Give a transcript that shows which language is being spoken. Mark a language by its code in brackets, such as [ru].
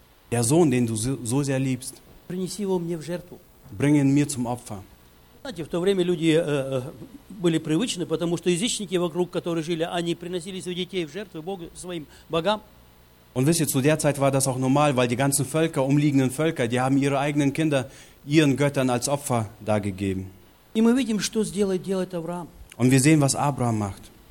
[de] Der Sohn, den du so sehr liebst, bring ihn mir zum Opfer. [ru] Знаете, в то время люди были привычны, потому что язычники вокруг, которые жили, они приносили своих детей в жертву Богу, своим богам. [de] Und wisst ihr, zu der Zeit war das auch normal, weil die ganzen Völker, umliegenden Völker, die haben ihre eigenen Kinder ihren Göttern als Opfer dargegeben. Und wir sehen, was Abraham macht.